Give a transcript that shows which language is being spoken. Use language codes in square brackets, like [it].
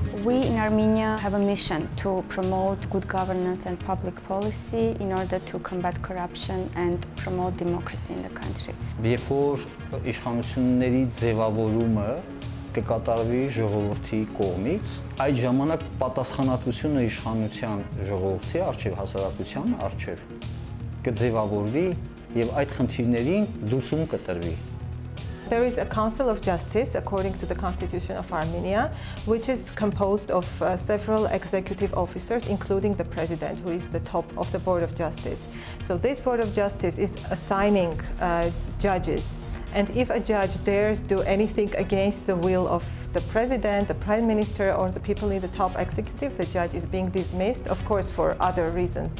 [en] We in Armenia have a mission to promote good governance and public policy in order to combat corruption and promote democracy in the country. [hy] Երբ իշխանությունների ձևավորումը կկատարվի ժողովրդի կողմից, այդ ժամանակ պատասխանատվությունը իշխանության ժողովրդի արչև, հասարակության արչև կձևավորվի եւ այդ խնդիրներին լուծում կտրվի. [en] There is a Council of Justice according to the Constitution of Armenia, which is composed of several executive officers, including the President, who is the top of the Board of Justice. So this Board of Justice is assigning judges. And if a judge dares do anything against the will of the President, the Prime Minister, or the people in the top executive, the judge is being dismissed, of course, for other reasons.